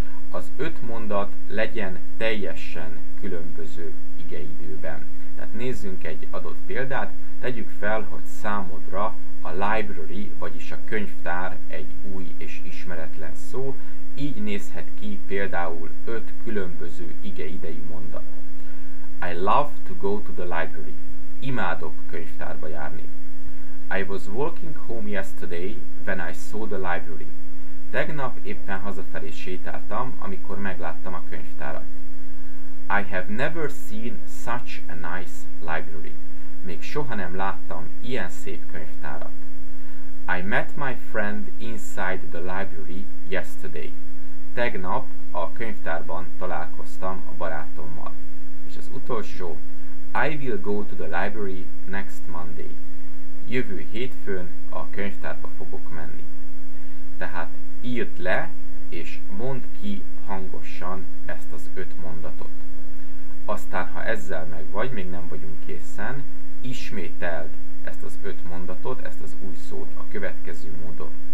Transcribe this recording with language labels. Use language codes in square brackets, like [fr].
[hu] Az 5 mondat legyen teljesen különböző igeidőben. Tehát nézzünk egy adott példát, tegyük fel, hogy számodra a library, vagyis a könyvtár egy új és ismeretlen szó, így nézhet ki például 5 különböző igeidejű mondat. [en] I love to go to the library. [hu] Imádok könyvtárba járni. [en] I was walking home yesterday when I saw the library. [hu] Tegnap éppen hazafelé sétáltam, amikor megláttam a könyvtárat. [en] I have never seen such a nice library. [hu] Még soha nem láttam ilyen szép könyvtárat. [en] I met my friend inside the library yesterday. [hu] Tegnap a könyvtárban találkoztam a barátommal. És az utolsó, [en] I will go to the library next Monday. [hu] Jövő hétfőn a könyvtárba fogok menni. Tehát írd le, és mondd ki hangosan ezt az 5 mondatot. Aztán, ha ezzel meg vagy, még nem vagyunk készen, ismételd ezt az 5 mondatot, ezt az új szót a következő módon.